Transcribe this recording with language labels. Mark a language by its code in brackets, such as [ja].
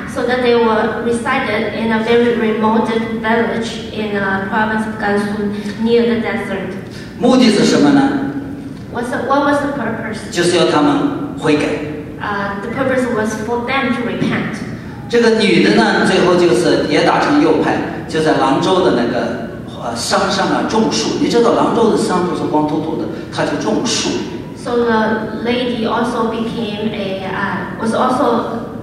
[en] So that they were resided in a very remote village in a province of Gansu near the desert. [zh] 目的是什么呢？ [en] What was the purpose? [zh] 就是要他们悔改。 [en] The purpose was for them to repent. [zh] 这个女的呢，最后就是也打成右派，就在兰州的那个山上啊种树。你知道兰州的山都是光秃秃的，她就种树。 [en] So the lady also became a was also.